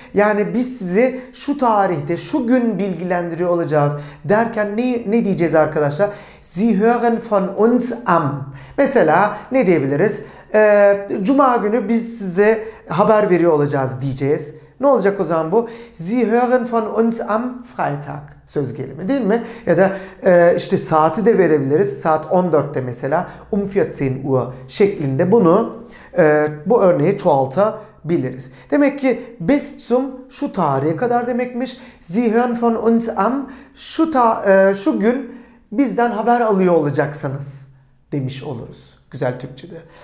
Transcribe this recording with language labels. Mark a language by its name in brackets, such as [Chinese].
[Turkish] Yani biz sizi şu tarihte, şu gün bilgilendiriyor olacağız derken ne diyeceğiz arkadaşlar? [German] Sie hören von uns am. [Turkish] Mesela ne diyebiliriz? Cuma günü biz size haber veriyor olacağız diyeceğiz. Ne olacak o zaman bu? [German] Sie hören von uns am Freitag. [Turkish] Söz gelimi değil mi? Ya da işte saati de verebiliriz. Saat 14'te mesela. [German] Um 14 Uhr [Turkish] şeklinde bunu bu örneği çoğaltabiliriz. Demek ki [German] bis zum [Turkish] şu tarihe kadar demekmiş. [German] Sie hören von uns am [Turkish] şu gün bizden haber alıyor olacaksınız demiş oluruz. Güzel Türkçe'de.